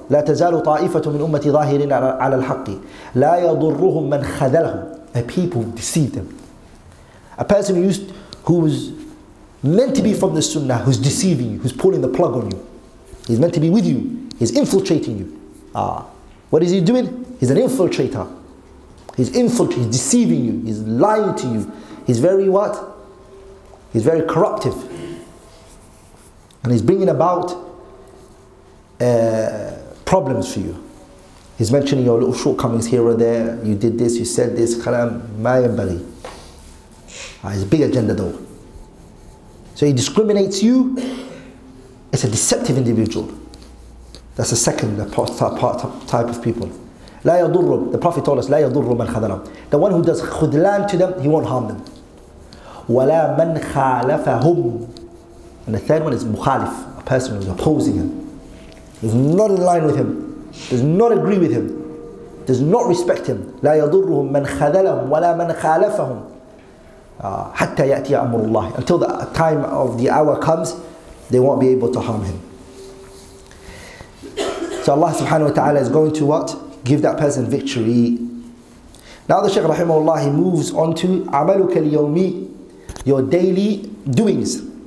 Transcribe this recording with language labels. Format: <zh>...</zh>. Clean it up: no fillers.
<ar>لا تزال طائفة من أمتي ظاهرين على الحق لا يضرهم من خذلهم.</ar> <en>A people who deceive them. A person who is meant to be from the Sunnah, who's deceiving you, who's pulling the plug on you. He's meant to be with you. He's infiltrating you. What is he doing? He's an infiltrator. He's deceiving you. He's lying to you. He's very what? He's very corruptive. And he's bringing about problems for you. He's mentioning your little shortcomings here or there. You did this, you said this. Khalam, mayan bali. It's a big agenda though. So he discriminates you. It's a deceptive individual. That's the second type of people.</en> <ar>لا يضر.</ar> <en>The Prophet told us,</en> <ar>لا يضر من خذلهم.</ar> <en>The one who does خذلان to them, he won't harm them.</en> <ar>ولا من خالفهم.</ar> <en>And the third one is مخالف, a person who is opposing him, does not in line with him, does not agree with him, does not respect him.</en> <ar>لا يضرهم من خذلهم ولا من خالفهم. حتى يأتي أمر الله.</ar> <en>Until the time of the hour comes, they won't be able to harm him. So Allah subhanahu wa ta'ala is going to what? Give that person victory. Now the Shaykh rahimahullah, he moves on to</en> <ar>عملك اليومي,</ar> <en>your daily doings.</en>